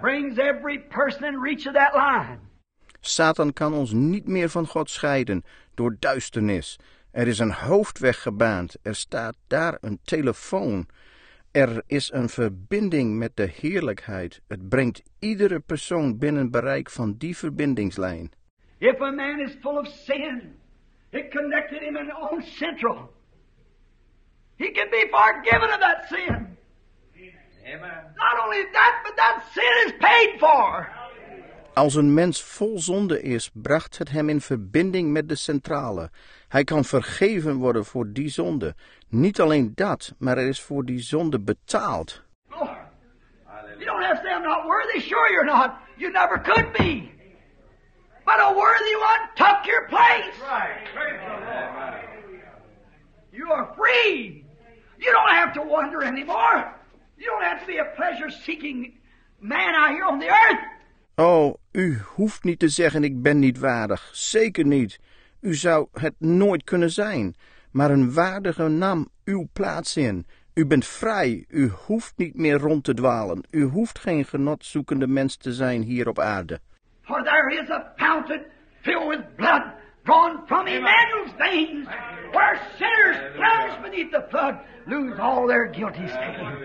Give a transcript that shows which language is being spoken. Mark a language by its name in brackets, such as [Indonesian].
[English] Brings every person in reach of that line. [Dutch] Satan kan ons niet meer van God scheiden door duisternis. Er is een hoofdweg gebaand. Er staat daar een telefoon. Er is een verbinding met de heerlijkheid. Het brengt iedere persoon binnen bereik van die verbindingslijn. [English] If a man is full of sin, it connected him in own central. He can be forgiven of that sin. Amen. Not only that, but that sin is paid for. [Dutch] Als een mens vol zonde is, bracht het hem in verbinding met de centrale. Hij kan vergeven worden voor die zonde. Niet alleen dat, maar er is voor die zonde betaald. [English] Oh, you don't have to say I'm not worthy. Sure you're not. You never could be. But a worthy one took your place. Right. You are free. You don't have to wonder anymore. You don't have to be a pleasure-seeking man out here on the earth. [Dutch] Oh, u hoeft niet te zeggen ik ben niet waardig. Zeker niet. U zou het nooit kunnen zijn. Maar een waardige nam uw plaats in. U bent vrij. U hoeft niet meer rond te dwalen. U hoeft geen genotzoekende mens te zijn hier op aarde. [English] For there is a fountain filled with blood drawn from Emmanuel's veins, where sinners plunge beneath the flood, lose all their guilty stain.